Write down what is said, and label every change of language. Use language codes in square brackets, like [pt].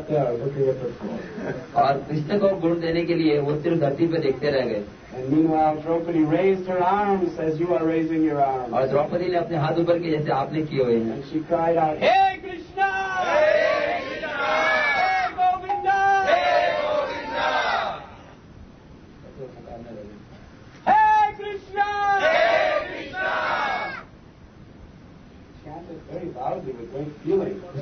[hi] और कृष्ण को गुण देने के लिए वो सिर्फ धरती पर देखते रह गए. [en] And meanwhile, Draupadi raised her arms as you are raising your arms. [hi] और द्रौपदी ने अपने हाथ ऊपर किए जैसे आपने किए हुए हैं. [en] She cried out, "Hey, Krishna! Hey, Krishna! Hey, Govinda! Hey, Govinda! Hey, Krishna! Hey, Krishna!" She chanted very loudly with great feeling.